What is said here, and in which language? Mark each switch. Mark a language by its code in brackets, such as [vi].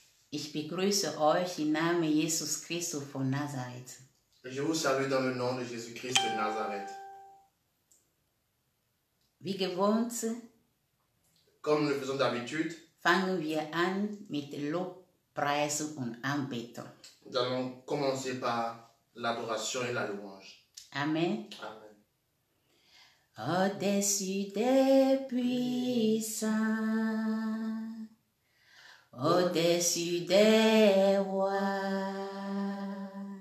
[de] Ich begrüße euch im Namen Jesus Christus von Nazareth. [fr] Je vous salue dans le nom de Jésus-Christ de Nazareth. [de] Wie gewohnt, [fr] comme nous le faisons d'habitude, [de] fangen wir an mit Lobpreis und Anbetung. [fr] Nous allons commencer par l'adoration et la louange. [de] Amen. [fr] Amen. Au-dessus des puissants, au-dessus des rois,